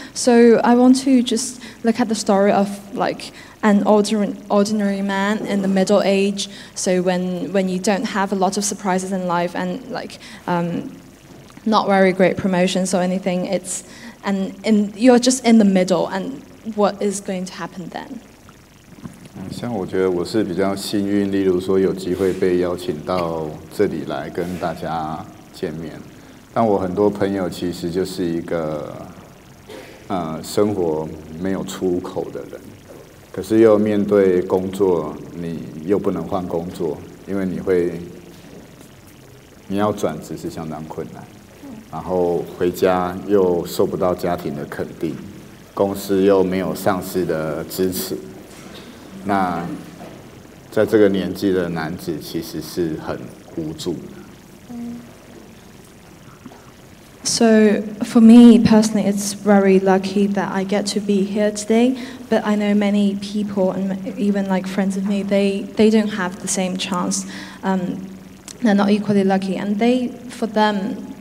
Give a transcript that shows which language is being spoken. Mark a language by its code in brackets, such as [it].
[en] So I want to just look at the story of like an ordinary man in the middle age, so when you don't have a lot of surprises in life and like not very great promotions or anything, it's and in, you're just in the middle, and what is going to happen then? [zh] 像我觉得我是比较幸运，例如说有机会被邀请到这里来跟大家见面。但我很多朋友其实就是一个，生活没有出口的人，可是又面对工作，你又不能换工作，因为你要转职是相当困难。然后回家又受不到家庭的肯定，公司又没有上司的支持，那在这个年纪的男子其实是很无助的。 [en] So for me personally, it's very lucky that I get to be here today. But I know many people and even like friends of me, they don't have the same chance. They're not equally lucky, and for them.